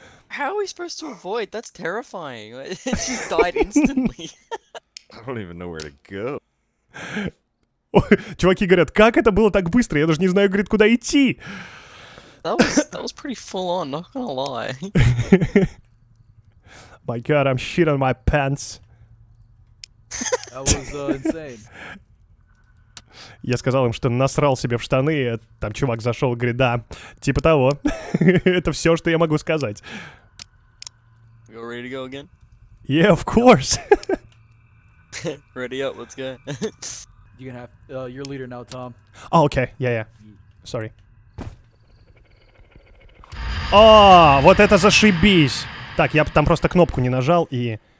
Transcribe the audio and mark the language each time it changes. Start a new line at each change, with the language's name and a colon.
English: How are we supposed to avoid? That's terrifying. It just died instantly. I don't even know where to go.
Russian: Чуваки говорят, как это было так быстро? Я даже не знаю, говорит, куда идти.
English: That was pretty full on, not gonna lie. My god, I'm shit on my pants. That was insane.
Russian: Я сказал им, что насрал себе в штаны, и там чувак зашел, говорит, да, типа того. Это все, что я могу сказать.
English: You ready to go again? Yeah, of course. Ready up, let's go. You can have your leader now, Tom. Oh, okay. Yeah. Sorry.
Russian: Oh, вот это зашибись! Так, я там просто кнопку не нажал и...